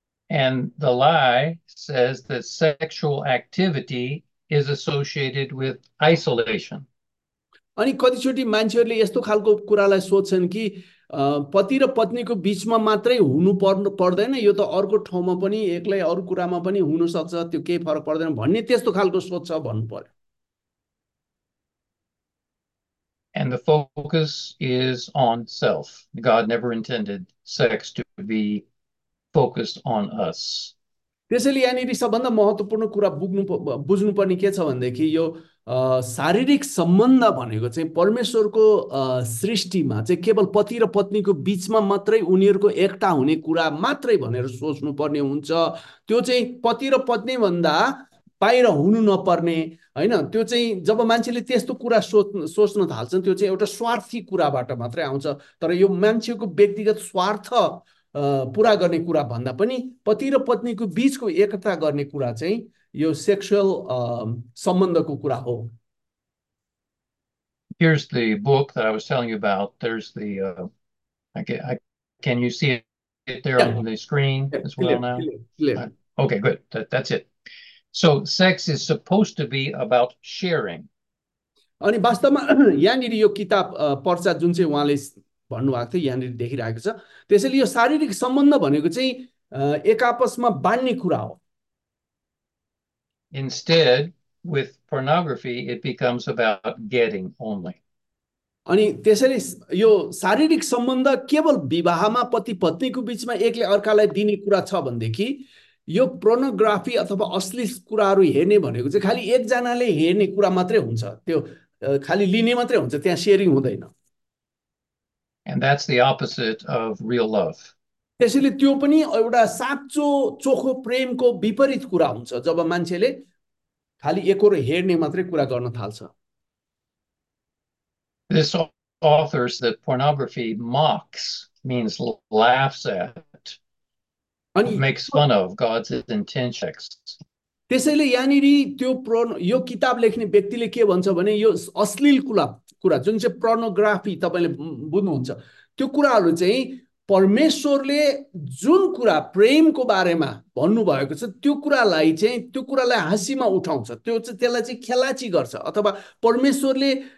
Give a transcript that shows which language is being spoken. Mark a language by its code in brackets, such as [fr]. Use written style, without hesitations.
[en] And the lie says that sexual activity is associated with isolation. [ne] अनि कतिचोटि मान्छेहरूले यस्तो खालको कुरालाई सोध्छन् कि पति र पत्नीको बिचमा मात्रै हुनु पर्दैन, यो त अर्को ठाउँमा पनि एक्लै अरू कुरामा पनि हुनसक्छ, त्यो केही फरक पर्दैन भन्ने त्यस्तो खालको सोच छ भन्नु पर्यो। [en] And the focus is on self. God never intended sex to be focused on us. [ne] त्यसैले यहाँनिर सबभन्दा महत्त्वपूर्ण कुरा बुझ्नुपर्ने के छ भनेदेखि, यो शारीरिक सम्बन्ध भनेको चाहिँ परमेश्वरको सृष्टिमा चाहिँ केवल पति र पत्नीको बिचमा मात्रै उनीहरूको एकता हुने कुरा मात्रै भनेर सोच्नुपर्ने हुन्छ। त्यो चाहिँ पति र पत्नी भन्दा बाहिर हुनु नपर्ने होइन, त्यो चाहिँ जब मान्छेले त्यस्तो कुरा सोच्न थाल्छन् त्यो चाहिँ एउटा स्वार्थी कुराबाट मात्रै आउँछ, तर यो मान्छेको व्यक्तिगत स्वार्थ पुरा गर्ने कुरा भन्दा पनि पति र पत्नीको बिचको एकता गर्ने कुरा चाहिँ यो सेक्सुअल सम्बन्धको कुरा हो। [en] Here's the book that I was telling you about. There's the can you see it there on the screen as well now? Okay, good. That's it. So sex is supposed to be about sharing. [ne] अनि वास्तवमा यहाँनिर यो किताब पर्चा जुन चाहिँ उहाँले भन्नुभएको थियो यहाँनिर देखिरहेको छ, त्यसैले यो शारीरिक सम्बन्ध भनेको चाहिँ एक आपसमा बाँड्ने कुरा हो। [en] Instead, with pornography, it becomes about getting only. [ne] अनि त्यसैले यो शारीरिक सम्बन्ध केवल विवाहमा पति पत्नीको बिचमा एकले अर्कालाई दिने कुरा छ भनेदेखि यो प्रोनोग्राफी अथवा अश्लील कुराहरू हेर्ने भनेको चाहिँ खालि एकजनाले हेर्ने कुरा मात्रै हुन्छ त्यो खालि लिने मात्रै हुन्छ त्यहाँ सेयरिङ हुँदैन [en] And that's the opposite of real love. [ne] त्यसैले त्यो पनि एउटा साँचो चोखो प्रेमको विपरीत कुरा हुन्छ जब मान्छेले खालि एकोरो हेर्ने मात्रै कुरा गर्न थाल्छ [en] This authors that pornography mocks, means laughs at, [ne] अनि [en] makes fun of God's intention. [ne] त्यसैले यहाँनिर त्यो यो किताब लेख्ने व्यक्तिले के भन्छ भने यो अश्लील कुरा जुन चाहिँ प्रोनोग्राफी तपाईँले बुझ्नुहुन्छ त्यो कुराहरू चाहिँ परमेश्वरले जुन कुरा प्रेमको बारेमा भन्नुभएको छ त्यो कुरालाई चाहिँ त्यो कुरालाई हाँसीमा उठाउँछ त्यो चाहिँ त्यसलाई चाहिँ खेलाची गर्छ अथवा परमेश्वरले